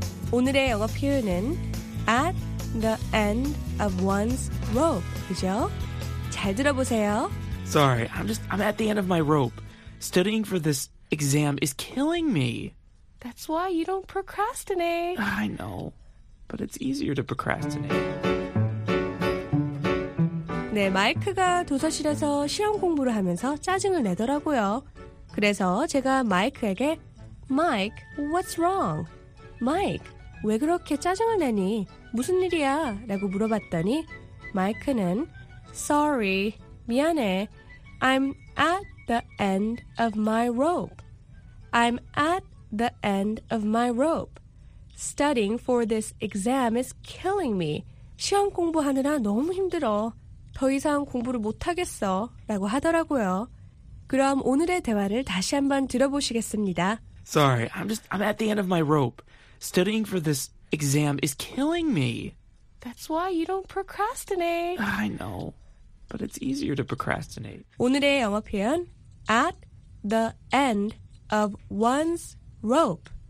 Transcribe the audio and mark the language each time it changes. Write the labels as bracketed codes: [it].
[ko] 오늘의 영어 표현은 [en] at the end of one's rope, [ko] 그죠? 잘 들어보세요. [en] Sorry, I'm at the end of my rope. Studying for this exam is killing me. That's why you don't procrastinate. I know, but it's easier to procrastinate. [ko] 네, 마이크가 도서실에서 시험 공부를 하면서 짜증을 내더라고요. 그래서 제가 마이크에게 Mike, [en] what's wrong? [ko] Mike, 왜 그렇게 짜증을 내니? 무슨 일이야? 라고 물어봤더니 마이크는 [en] Sorry, [ko] 미안해. [en] I'm at the end of my rope. I'm at the end of my rope. Studying for this exam is killing me. [ko] 시험 공부하느라 너무 힘들어. 더 이상 공부를 못 하겠어. 라고 하더라고요. 그럼 오늘의 대화를 다시 한번 들어보시겠습니다. [en] Sorry, I'm at the end of my rope. Studying for this exam is killing me. That's why you don't procrastinate. I know, but it's easier to procrastinate. [ko] 오늘의 영어 표현, [en] at the end of one's rope.